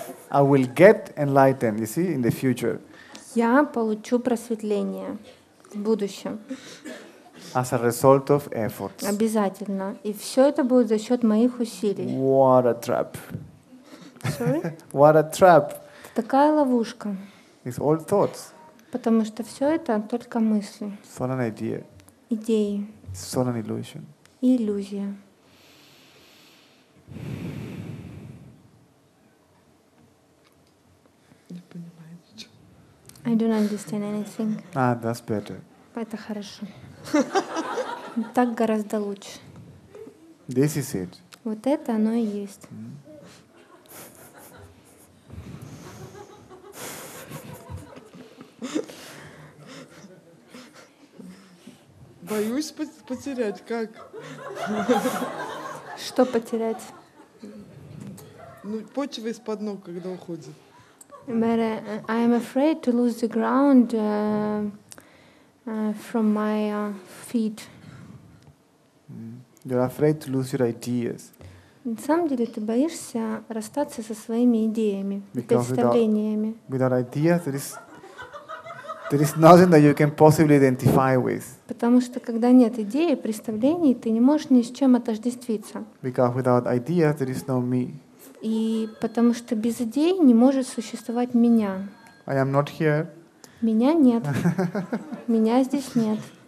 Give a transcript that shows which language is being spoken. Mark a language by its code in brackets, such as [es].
[en] I will get enlightened, you see, in the future. [ru] Я получу просветление в будущем. [en] As a result of efforts. [ru] Обязательно. И все это будет за счет моих усилий. [en] What a trap. Sorry? What a trap. [ru] Это такая ловушка. [en] It's all thoughts. [ru] Потому что все это только мысли. [en] It's all an idea. [ru] Идеи. [en] It's all an illusion. [ru] И иллюзия. [en] I don't understand anything. Ah, that's better. [ru] Это хорошо. Так гораздо лучше. [en] This is it. [ru] Вот это оно и есть. Боюсь потерять, как? Что потерять? Ну, почва из-под ног, когда уходит. [en] But I am afraid to lose the ground from my feet. You're afraid to lose your ideas. [ru] На самом деле, ты боишься расстаться со своими идеями, представлениями. [en] Without ideas, there is nothing that you can possibly identify with. [ru] Потому что когда нет идей, представлений, ты не можешь ни с чем отождествиться. [en] Because without ideas, there is no me. [ru] И потому что без идей не может существовать меня. [en] I am not here. [ru] Меня нет. Меня здесь нет.